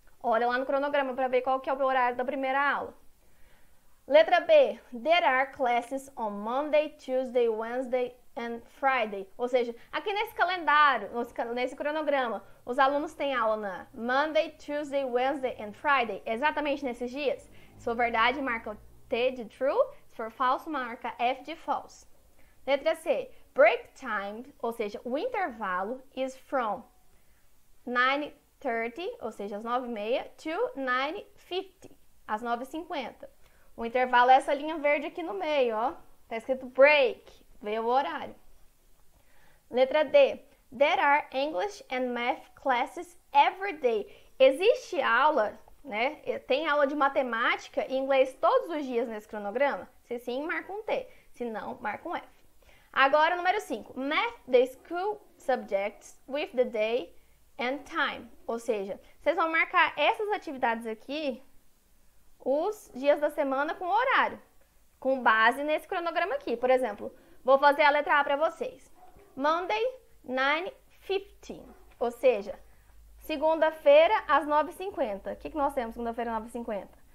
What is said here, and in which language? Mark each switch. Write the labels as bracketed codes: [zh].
[pt] Olha lá no cronograma para ver qual que é o horário da primeira aula. Letra B. [en] There are classes on Monday, Tuesday, Wednesday and Friday. [pt] Ou seja, aqui nesse calendário, nesse cronograma, os alunos têm aula na [en] Monday, Tuesday, Wednesday and Friday. [pt] Exatamente nesses dias. Se for verdade, marca T de true. Se for falso, marca F de false. Letra C. [en] Break time, [pt] ou seja, o intervalo, [en] is from 9:30, [pt] ou seja, às 9:30, [en] to 9:50, [pt] às 9:50. O intervalo é essa linha verde aqui no meio, ó. Tá escrito break, veio o horário. Letra D. [en] There are English and math classes every day. [pt] Existe aula, né? Tem aula de matemática e inglês todos os dias nesse cronograma? Se sim, marca um T. Se não, marca um F. Agora, número 5. [en] Math the school subjects with the day and time. [pt] Ou seja, vocês vão marcar essas atividades aqui, os dias da semana com horário, com base nesse cronograma aqui. Por exemplo, vou fazer a letra A para vocês. [en] Monday, 9:15. [pt] Ou seja, segunda-feira às 9:50. O que que nós temos segunda-feira às 9:50?